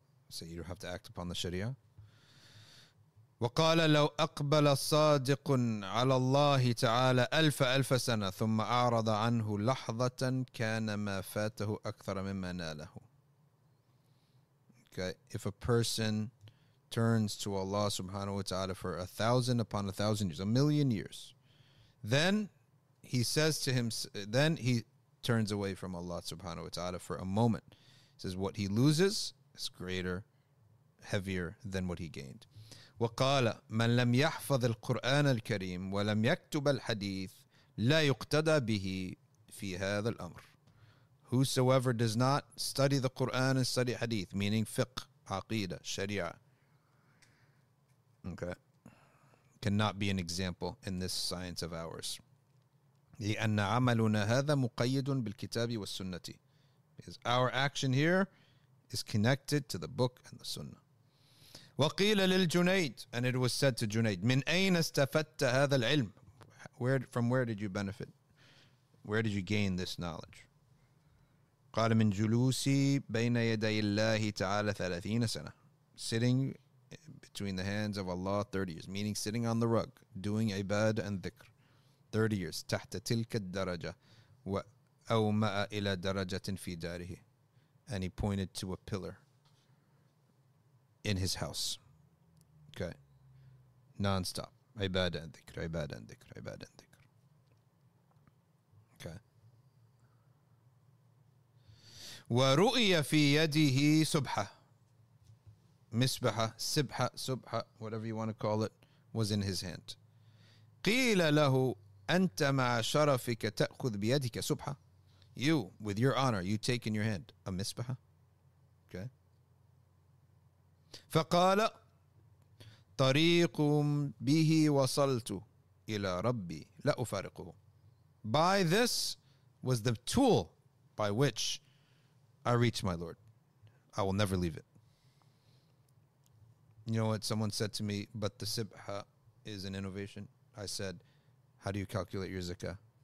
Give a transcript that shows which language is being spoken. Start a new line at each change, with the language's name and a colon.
English: So you don't have to act upon the Sharia.
Arabic: وقال لو أقبل صادق على الله تعالى ألف ألف سنة ثم أعرض عنه لحظة كان ما فاته أكثر مما ناله.
English: Okay, if a person turns to Allah subhanahu wa ta'ala for 1,000 upon 1,000 years, 1,000,000 years, then he says to him, then he turns away from Allah subhanahu wa ta'ala for a moment. He says, what he loses is greater, heavier than what he gained.
Arabic: وقال من لم يحفظ القرآن الكريم ولم يكتب الحديث لا يقتدى به في هذا الأمر.
English: Whosoever does not study the Quran and study hadith, meaning fiqh, aqidah, sharia, okay, cannot be an example in this science of ours.
Arabic: لأن عملنا هذا مقيد بالكتاب والسنة.
English: Because our action here is connected to the book and the sunnah.
Arabic: وقيل للجنيد,
English: and it was said to Junaid,
Arabic: من أين استفدت هذا العلم?
English: From where did you benefit? Where did you gain this knowledge?
Arabic: قال من جلوسي بين يدي الله تعالى 30 سنة.
English: Sitting between the hands of Allah 30 years, meaning sitting on the rug, doing ibad and dhikr. 30 years.
Arabic: تحت تلك الدرجة وأومأ إلى درجة في داره.
English: And he pointed to a pillar in his house. Okay. Non-stop. Ibadah and dhikr, ibadah and dhikr, ibadah and dhikr. Okay.
Arabic: وَرُؤِيَ فِي يَدِهِ سُبْحَةً مِسْبَحَةً سِبْحَةً سُبْحَةً
English: whatever you want to call it, was in his hand.
Arabic: قِيلَ لَهُ أَنْتَ مَعَ شَرَفِكَ تَأْخُذْ بِيَدِكَ سُبْحَةً.
English: You, with your honor, you take in your hand a misbahah. Okay.
Arabic: فقال طريق به وصلت إلى ربي لا أفارقه.
English: By this was the tool by which I reached my Lord. I will never leave it. You know what someone said to me, but the sibha is an innovation. I said, how do you calculate your zakah?